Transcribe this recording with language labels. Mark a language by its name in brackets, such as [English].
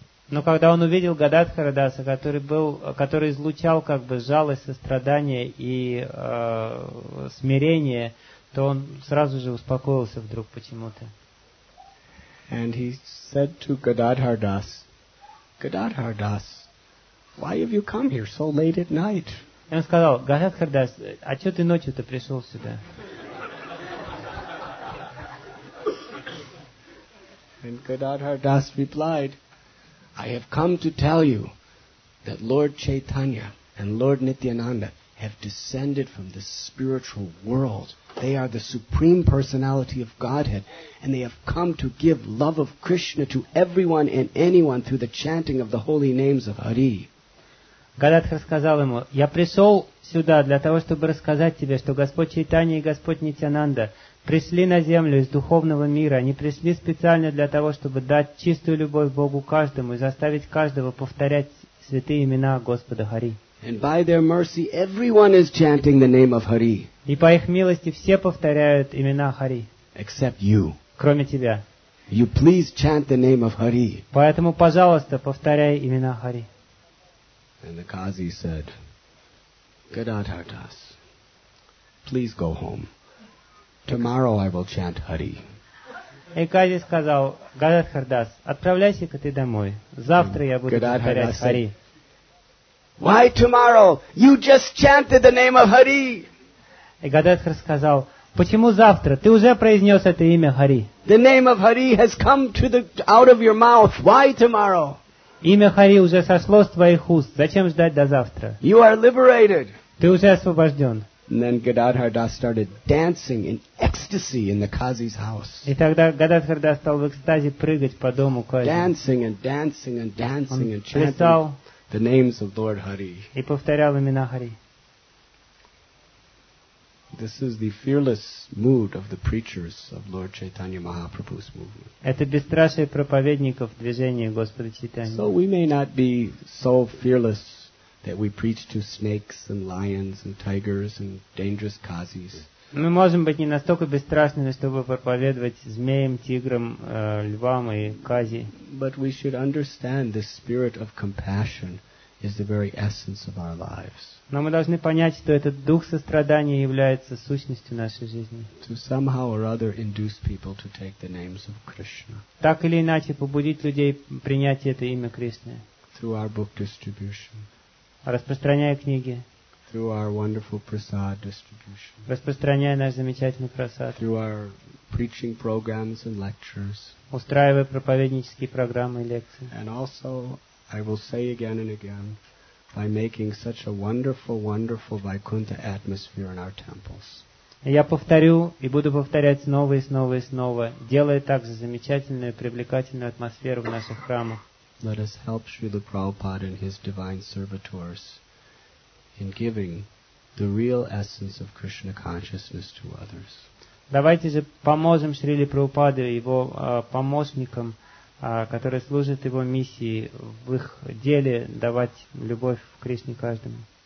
[Russian] Но когда он увидел Гададхара Даса, который излучал как бы жалость, сострадание и смирение, то он сразу же успокоился вдруг почему-то. [English] And he said to Gadadhar Das, Gadadhar Das, why have you come here so late at night? [Russian] И он сказал, Гададхар Дас, а что ты ночью-то пришел сюда? [English] And Gadadhar Das replied, I have come to tell you that Lord Chaitanya and Lord Nityananda have descended from the spiritual world. They are the supreme personality of Godhead, and they have come to give love of Krishna to everyone and anyone through the chanting of the holy names of Hari. [Russian] Гададхар сказал ему, «Я пришел сюда для того, чтобы рассказать тебе, что Господь Чайтанья и Господь Нитянанда пришли на землю из духовного мира. Они пришли специально для того, чтобы дать чистую любовь Богу каждому и заставить каждого повторять святые имена Господа Хари». [English] And by their mercy, everyone is chanting the name of Hari. [Russian] И по их милости все повторяют имена Хари. [English] Except you. [Russian] Кроме тебя. [English] You please chant the name of Hari. [Russian] Поэтому, пожалуйста, повторяй имена Хари. [English] And the Kazi said, Gadadhar Das, please go home. Tomorrow I will chant Hari. [Russian] И Кази сказал, Гададхар Дас, отправляйся-ка ты домой. Завтра я буду повторять Хари. [English] Why tomorrow? You just chanted the name of Hari. [Russian] И Гададхар сказал, почему завтра? Ты уже произнес это имя Хари. [English] The name of Hari has come to the out of your mouth. Why tomorrow? [Russian] Имя Хари уже сошло с твоих уст. Зачем ждать до завтра? [English] You are liberated. [Russian] Ты уже освобожден. [English] And then Gadadhar Das started dancing in ecstasy in the Kazi's house. [Russian] И тогда Гададхар Дас стал в экстазе прыгать по дому Кази. [English] Dancing and dancing and dancing and chanting. [Russian] Он перестал. [English] The names of Lord Hari. [Russian] И повторял имена Хари. [English] This is the fearless mood of the preachers of Lord Chaitanya Mahaprabhu's movement. [Russian] Это бесстрашие проповедников движения Господа Чайтаньи. [English] So we may not be so fearless that we preach to snakes and lions and tigers and dangerous kazis. [Russian] Мы можем быть не настолько бесстрашными, чтобы проповедовать змеям, тиграм, львам и кази. [English] But we should understand the spirit of compassion is the very essence of our lives. [Russian] Но мы должны понять, что этот дух сострадания является сущностью нашей жизни. [English] To somehow or other induce people to take the names of Krishna. [Russian] Так или иначе побудить людей принять это имя Кришны. [English] Through our book distribution. [Russian] Распространяя книги. [English] Through our wonderful prasad distribution. [Russian] Распространяя наш замечательный прасад. [English] Through our preaching programs and lectures. [Russian] Устраивая проповеднические программы и лекции. [English] And also, I will say again and again, by making such a wonderful, wonderful Vaikuntha atmosphere in our temples. [Russian] Я повторю и буду повторять снова и снова и снова, делая также замечательную, привлекательную атмосферу в наших храмах. [English] Let us help Srila Prabhupada and his divine servitors in giving the real essence of Krishna consciousness to others. [Russian] Давайте же поможем Шриле Прабхупаде и его помощникам, которые служат его миссии, в их деле давать любовь к Кришне каждому.